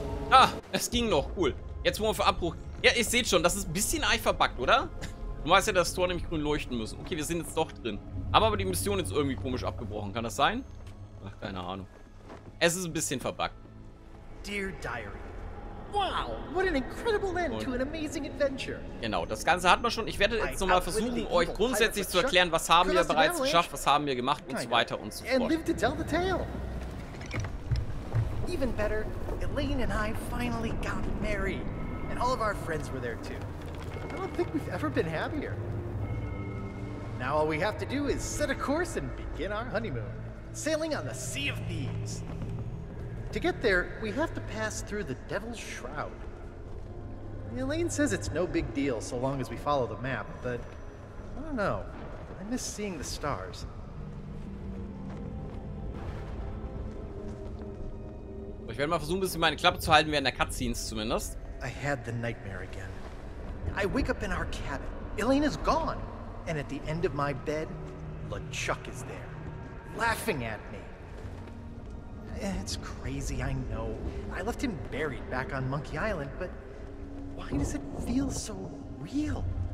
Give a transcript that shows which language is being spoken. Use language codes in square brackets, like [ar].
[de] Ah, es ging noch, cool. Jetzt wollen wir für Abbruch. Ja, ihr seht schon, das ist ein bisschen arg verbuggt, oder? Du weißt ja, dass das Tor nämlich grün leuchten muss. Okay, wir sind jetzt doch drin. Haben aber die Mission jetzt irgendwie komisch abgebrochen, kann das sein? Ach, keine Ahnung. Es ist ein bisschen verbuggt. [en] Dear Diary. Wow, what an incredible end to an amazing adventure. [de] Genau, das Ganze hat man schon. Ich werde jetzt nochmal versuchen, euch grundsätzlich zu erklären, was haben wir bereits geschafft, was haben wir gemacht und so weiter und so fort. [en] And live to tell the tale. Even better, Elaine and I finally got married. And all of our friends were there too. I don't think we've ever been happier. Now all we have to do is set a course and begin our honeymoon. Sailing on the Sea of Thieves. To get there, we have to pass through the Devil's Shroud. Elaine says it's no big deal so long as we follow the map, but I don't know. I miss seeing the stars. [de] Ich werde mal versuchen, ein bisschen meine Klappe zu halten, während der Cutscenes zumindest. [en] I had the nightmare again. I wake up in our cabin. Elaine is gone. And at the end of my bed, LeChuck is there, laughing at me. It's crazy, I know. I left him buried back on Monkey Island, but why does it feel so real?